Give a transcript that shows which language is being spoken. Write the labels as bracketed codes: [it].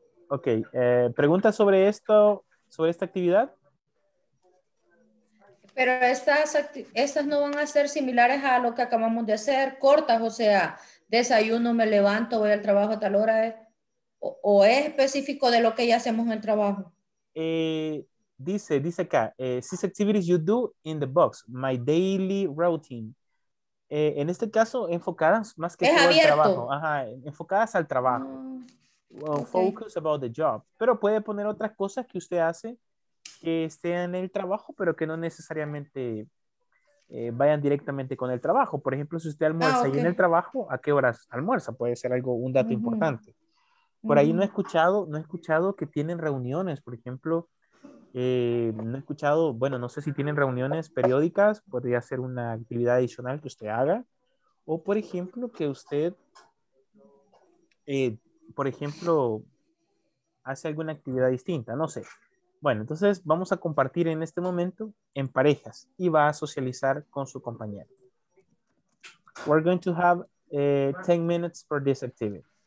[es] Ok, ¿pregunta sobre esto, sobre esta actividad? Pero estas no van a ser similares a lo que acabamos de hacer, cortas, o sea, desayuno, me levanto, voy al trabajo a tal hora, o es específico de lo que ya hacemos en el trabajo? [en] Dice acá, 6 activities you do in the box, my daily routine. [es] En este caso, enfocadas más que todo al trabajo. Ajá, enfocadas al trabajo. [en] Well, okay. Focus about the job. [es] Pero puede poner otras cosas que usted hace que estén en el trabajo, pero que no necesariamente vayan directamente con el trabajo. Por ejemplo, si usted almuerza y en el trabajo, ¿a qué horas almuerza? Puede ser algo, un dato importante. Por ahí no he escuchado que tienen reuniones, por ejemplo. No he escuchado, bueno, no sé si tienen reuniones periódicas, podría ser una actividad adicional que usted haga. O por ejemplo, que usted, por ejemplo, hace alguna actividad distinta, no sé. Bueno, entonces vamos a compartir en este momento en parejas y va a socializar con su compañero. [en] We're going to have 10 minutes for this activity.